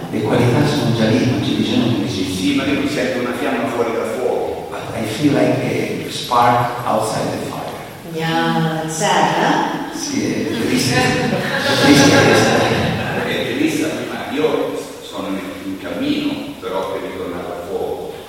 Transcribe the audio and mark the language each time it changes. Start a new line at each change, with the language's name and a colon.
Italian: Le qualità sono già lì, non ci bisogna che ci sia. Ma io sento una fiamma fuori dal fuoco.
English: But I feel like a spark outside the fire. Yeah, that's sad, huh?
Italian: Sì, è triste. È triste, ma io sono in cammino, però per ritornare al fuoco.